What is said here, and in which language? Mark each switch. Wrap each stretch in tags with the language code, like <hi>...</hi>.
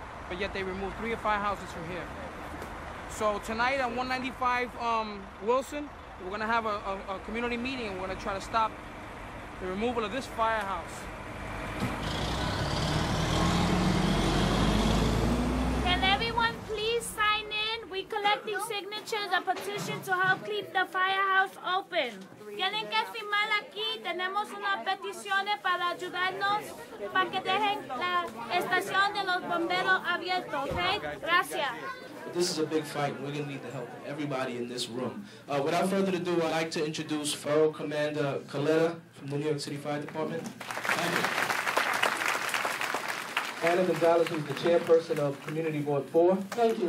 <en>But yet they removed 3 of 5 houses from here. So tonight at 195 Wilson, we're gonna have a community meeting, and we're gonna try to stop the removal of this firehouse. Can everyone please sign in? We're collecting signatures, a petition to help keep the firehouse open.</en> <es>Tienen que firmar aquí. Tenemos unas peticiones para ayudarnos para que dejen la estación de los bomberos abierto, okay? Gracias.</es> <en>But this is a big fight, and we're going to need the help of everybody in this room. Without further ado, I'd like to introduce Feral Commander Coletta from the New York City Fire Department. Thank you. Anna Gonzalez, who's the chairperson of Community Board 4. Thank you.</en>